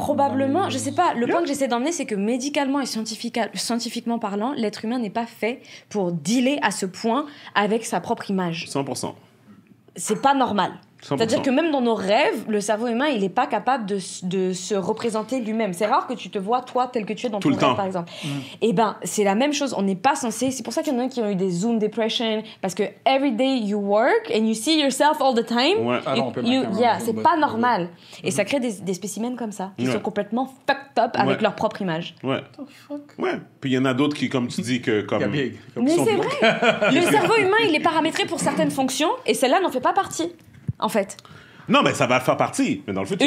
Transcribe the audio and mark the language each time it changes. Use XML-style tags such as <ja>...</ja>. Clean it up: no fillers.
<fr>Probablement, je sais pas, le point que j'essaie d'emmener, c'est que médicalement et scientifiquement parlant, l'être humain n'est pas fait pour dealer à ce point avec sa propre image. 100%. C'est pas normal. 100%. C'est-à-dire que même dans nos rêves, le cerveau humain, il n'est pas capable de se représenter lui-même. C'est rare que tu te vois, toi, tel que tu es dans tout ton rêve, par exemple. Eh bien, c'est la même chose. On n'est pas censé... C'est pour ça qu'il y en a qui ont eu des Zoom depression. Parce que</fr> <en>every day you work and you see yourself all the time.</en> <fr>C'est pas normal. Et ça crée des spécimens comme ça, qui sont complètement fucked up avec leur propre image. Ouais.</fr> <en>What the fuck?</en> <fr>Ouais. Puis il y en a d'autres qui, comme tu dis, que comme... Mais c'est vrai. Le cerveau humain, il est paramétré pour certaines fonctions et celle-là n'en fait pas partie. En fait. Non, mais ça va faire partie, mais dans le futur.</fr>